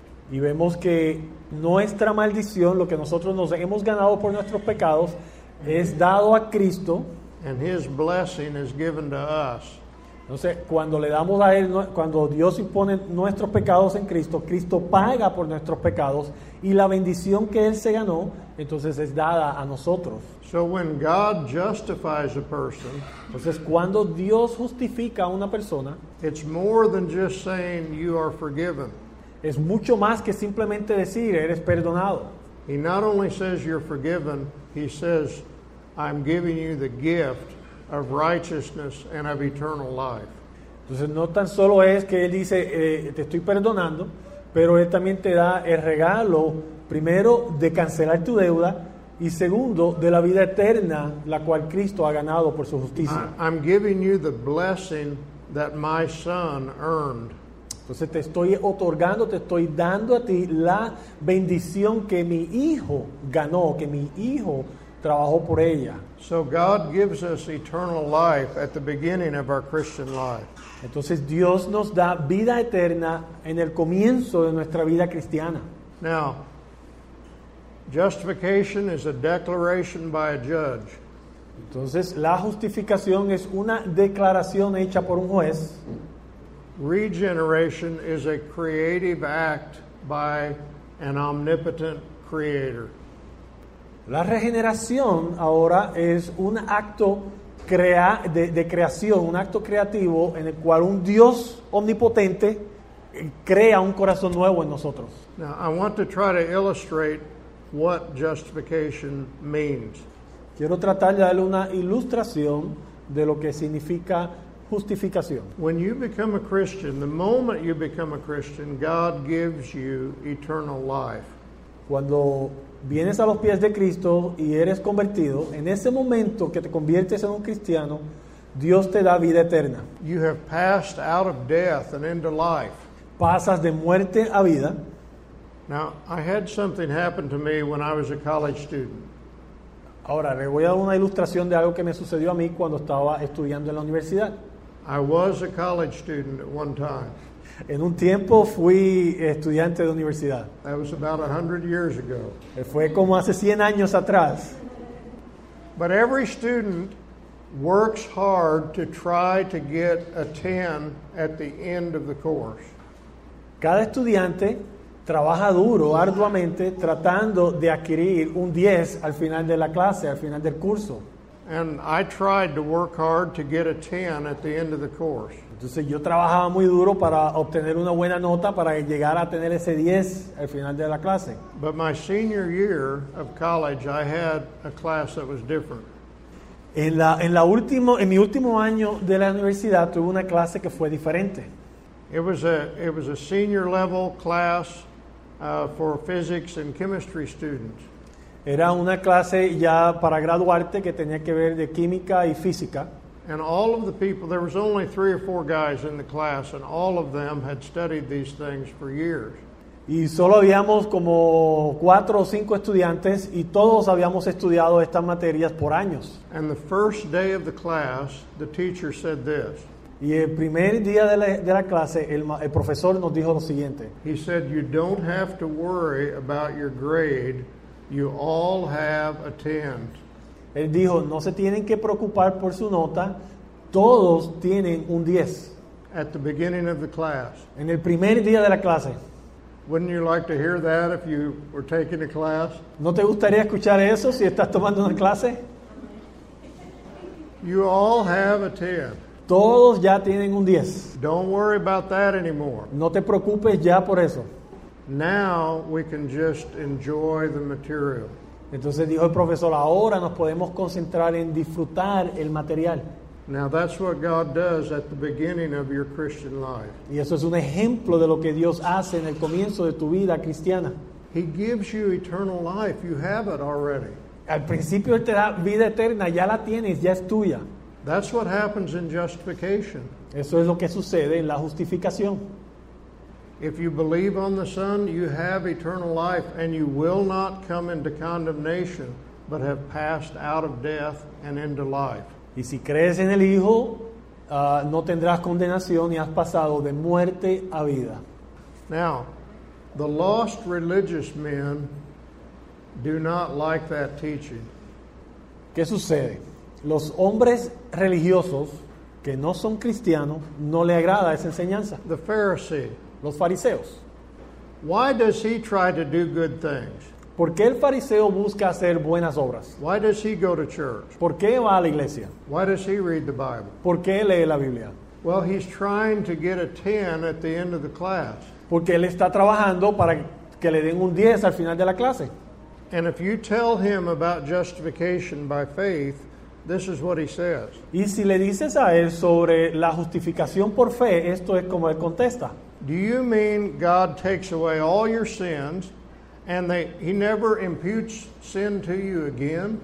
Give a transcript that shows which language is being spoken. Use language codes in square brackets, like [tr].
[es] Y vemos que nuestra maldición, lo que nosotros nos hemos ganado por nuestros pecados, es dado a Cristo. [en] And his blessing is given to us. [es] Entonces, cuando le damos a él, cuando Dios impone nuestros pecados en Cristo, Cristo paga por nuestros pecados y la bendición que él se ganó, entonces es dada a nosotros. [en] So when God justifies a person, [es] entonces cuando Dios justifica a una persona, [en] it's more than just saying you are forgiven. [es] Es mucho más que simplemente decir eres perdonado. [en] He not only says you're forgiven, he says I'm giving you the gift of righteousness and of eternal life. [es] Entonces no tan solo es que él dice te estoy perdonando, pero él también te da el regalo primero de cancelar tu deuda y segundo de la vida eterna la cual Cristo ha ganado por su justicia. [en] I'm giving you the blessing that my son earned. [es] Entonces te estoy otorgando, te estoy dando a ti la bendición que mi hijo ganó, que mi hijo trabajó por ella. [en] So God gives us eternal life at the beginning of our Christian life. [es] Entonces Dios nos da vida eterna en el comienzo de nuestra vida cristiana. [en] Now, justification is a declaration by a judge. [es] Entonces la justificación es una declaración hecha por un juez. [en] Regeneration is a creative act by an omnipotent creator. [es] La regeneración ahora es un acto de creación, un acto creativo en el cual un Dios omnipotente crea un corazón nuevo en nosotros. [en] Now, I want to try to illustrate what justification means. [es] Quiero tratar de darle una ilustración de lo que significa justificación. [en] When you become a Christian, the moment you become a Christian, God gives you eternal life. [es] Cuando vienes a los pies de Cristo y eres convertido, en ese momento que te conviertes en un cristiano, Dios te da vida eterna. [en] You have passed out of death and into life. [es] Pasas de muerte a vida. [en] Now, I had something happen to me when I was a college student. [es] Ahora, le voy a dar una ilustración de algo que me sucedió a mí cuando estaba estudiando en la universidad. [en] I was a college student at one time. [es] En un tiempo fui estudiante de universidad. [en] That was about 100 years ago. [es] Fue como hace 100 años atrás. [en] But every student works hard to try to get a 10 at the end of the course. [es] Cada estudiante trabaja duro, arduamente, tratando de adquirir un 10 al final de la clase, al final del curso. [en] And I tried to work hard to get a 10 at the end of the course. [es] Entonces yo trabajaba muy duro para obtener una buena nota para llegar a tener ese 10 al final de la clase. [en] But my senior year of college, I had a class that was different. [es] En mi último año de la universidad tuve una clase que fue diferente. [en] It was a senior level class for physics and chemistry students. [es] Era una clase ya para graduarte que tenía que ver de química y física. [en] And all of the people, there was only three or four guys in the class, and all of them had studied these things for years. [es] Y solo habíamos como cuatro o cinco estudiantes, y todos habíamos estudiado estas materias por años. [en] And the first day of the class, the teacher said this. [es] Y el primer día de la clase, el profesor nos dijo lo siguiente. [en] He said, you don't have to worry about your grade. You all have a 10. [es] Él dijo, no se tienen que preocupar por su nota. Todos tienen un 10. [en] At the beginning of the class. [es] En el primer día de la clase. [en] Wouldn't you like to hear that if you were taking a class? [es] ¿No te gustaría escuchar eso si estás tomando una clase? [en] You all have a 10. [es] Todos ya tienen un 10. [en] Don't worry about that anymore. [es] No te preocupes ya por eso. [en] Now we can just enjoy the material. [es] Entonces dijo el profesor, ahora nos podemos concentrar en disfrutar el material. [en] Now that's what God does at the beginning of your Christian life. [es] Y eso es un ejemplo de lo que Dios hace en el comienzo de tu vida cristiana. [en] He gives you eternal life. You have it already. [es] Al principio Él te da vida eterna, ya la tienes, ya es tuya. [en] That's what happens in justification. [es] Eso es lo que sucede en la justificación. [en] If you believe on the Son, you have eternal life and you will not come into condemnation, but have passed out of death and into life. [es] Y si crees en el Hijo, no tendrás condenación y has pasado de muerte a vida. [en] Now, the lost religious men do not like that teaching. [es] ¿Qué sucede? Los hombres religiosos que no son cristianos no le agrada esa enseñanza. [en] The Pharisee. [es] Los fariseos. [en] Why does he try to do good things? [es] ¿Por qué el fariseo busca hacer buenas obras? [en] Why does he go to church? [es] ¿Por qué va a la iglesia? [en] Why does he read the Bible? [es] ¿Por qué lee la Biblia? [en] Well, he's trying to get a 10 at the end of the class. [es] Porque él está trabajando para que le den un 10 al final de la clase. [en] And if you tell him about justification by faith, this is what he says. [es] Y si le dices a él sobre la justificación por fe, esto es como él contesta. [en] Do you mean God takes away all your sins and he never imputes sin to you again?